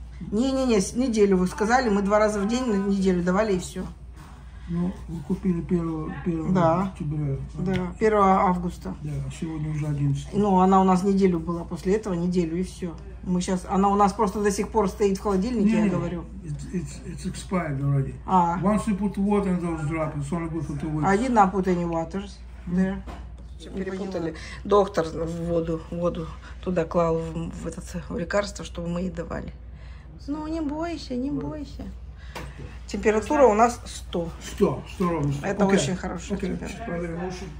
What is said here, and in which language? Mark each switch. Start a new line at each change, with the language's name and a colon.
Russian: Не, неделю вы сказали, мы 2 раза в день на неделю давали и все. Ну, вы купили 1 октября. Да, 1 августа. Да, сегодня уже 11. Ну, она у нас неделю была после этого, неделю и все. Мы сейчас, она у нас просто до сих пор стоит в холодильнике, я говорю.
English: It's expired already. Once you put water in those drops, it's only good for 2 weeks. I did not put any waters there.
Russian: Перепутали. Доктор в воду туда клал в это лекарство, чтобы мы ей давали. Ну, не бойся. Температура у нас 100. 100, 100 ровно. Это очень хорошая температура.